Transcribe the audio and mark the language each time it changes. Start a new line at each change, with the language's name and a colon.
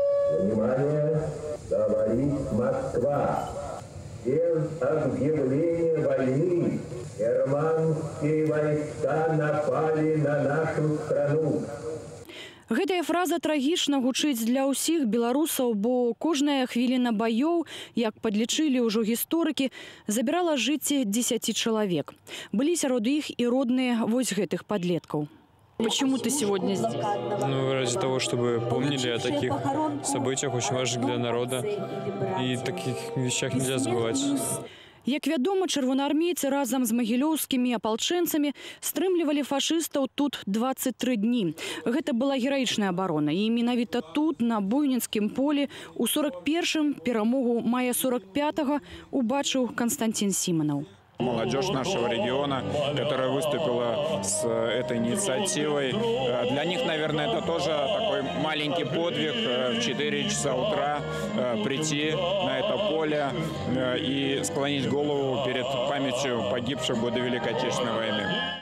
Russian: Внимание, товарищ Москва! Без объявления войны германские войска напали на нашу страну.
Belarusian: Гэтая фраза трагічна гучыць для ўсіх беларусаў, бо кожная хвіліна баёў, як падлічылі ўжо гісторыкі, забірала жыцці 10 чалавек. Былі сярод іх і родныя вось гэтых падлеткаў.
Russian: Почему ты сегодня здесь? Ну, ради того, чтобы помнили о таких событиях, очень важных для народа. И таких вещах нельзя забывать.
Belarusian: Як вядома, чырвонаармейцы разам з магілёўскімі апалчэнцамі стрымлівалі фашыстаў тут 23 дні. Гэта была гераічная абарона. І менавіта тут, на Буйніцкім полі, у 41-м перамогу мая 45-го убачыў Константин Сімонаў.
Russian: Молодежь нашего региона, которая выступила с этой инициативой, для них, наверное, это тоже такой маленький подвиг в 4 часа утра прийти на это поле и склонить голову перед памятью погибших в годы Великой Отечественной войны.